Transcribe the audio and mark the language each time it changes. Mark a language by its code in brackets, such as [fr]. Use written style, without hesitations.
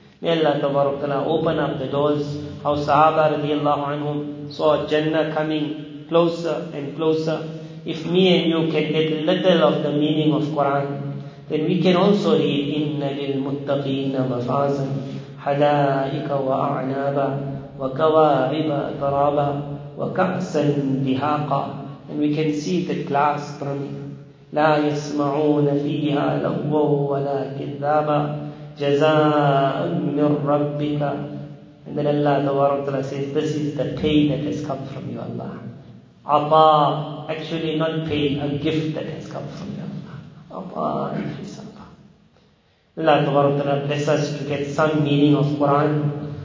[en] May Allah tabarakallah open up the doors. How Sahaba radiallahu anhum saw Jannah coming closer and closer. If me and you can get little of the meaning of Quran, then we can also read, [ar] Inna lil muttaqeena mafazan. حدائق وأعنابا وكواعب ترابا وكأسا دهاقا. [en] And we can see the glass brimming. [ar] لا يسمعون فيها لغوا ولا كذابا جزاء من ربك. [en] And then Allah Ta'ala says, this is the pay that has come from you, Allah. عطاء, actually not pay, a gift that has come from you, Allah. [ar] عطاء. [en] Allah Ta'ala bless us to get some meaning of Quran.